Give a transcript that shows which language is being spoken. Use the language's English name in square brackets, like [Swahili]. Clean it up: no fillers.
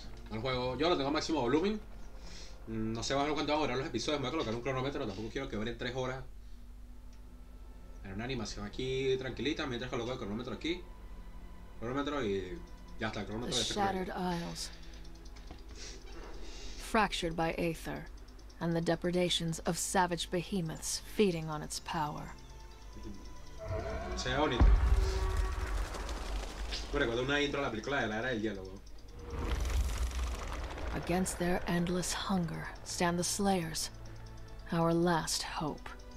[Spanish] El juego, yo lo tengo a máximo volumen. No sé bajo cuánto va a durar los episodios. Me voy a colocar un cronómetro. Tampoco quiero que dure 3 horas. En una animación aquí tranquilita. Mientras coloco el cronómetro aquí. Cronómetro y ya está. El cronómetro está. [English] Shattered isles. Fractured by aether. And the depredations of savage behemoths feeding on its power. [Spanish] Se ve bonito. Me recuerda una intro a la película de la era del hielo. [English] Against their endless hunger stand the slayers, our last hope.